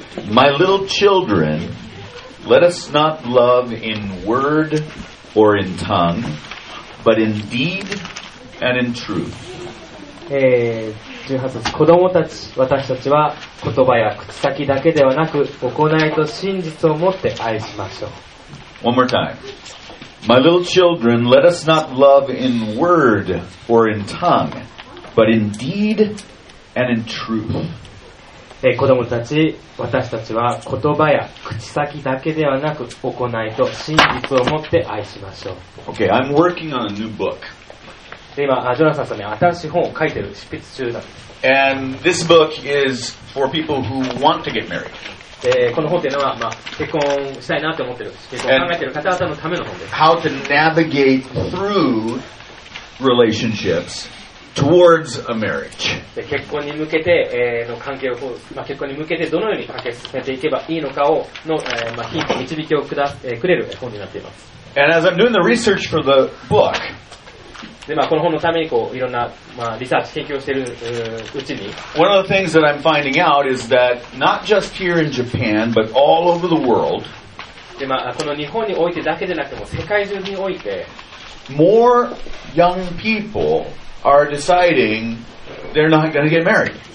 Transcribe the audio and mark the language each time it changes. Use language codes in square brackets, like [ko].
[en] My little children, let us not love in word or in tongue, but in deed and in truth. [ja] 18節、子供たち、私たちは言葉や口先だけではなく行いと真実を持って愛しましょう。 [en] One more time. My little children, let us not love in word or in tongue, but in deed and in truth. [ja] 子供たち、私たちは言葉や口先だけではなく行いと真実を持って愛しましょう。 [en] Okay, I'm working on a new book. [ja] 今、ジョナサンさんね、新しい本を書いてる、執筆中だ。 [en] And this book is for people who want to get married. [ja] この本というのは、まあ、結婚したいなと思っている、結婚考えている方々のための本です。 [en] How to navigate through relationships towards a marriage. [ja] 結婚に向けて、の関係を、まあ、結婚に向けてどのように関係を進めていけばいいのかをの、まあ、ヒント、導きを くれる本になっています。 [en] And as I'm doing the research for the book, [ja] で、まあ、この本のためにこういろんな、まあ、リサーチ研究をしている うちに、 [en] One of the things that I'm finding out is that not just here in Japan, but all over the world, [ja] で、まあ、この日本においてだけでなくても世界中において [en] more young people are deciding they're not going to get married.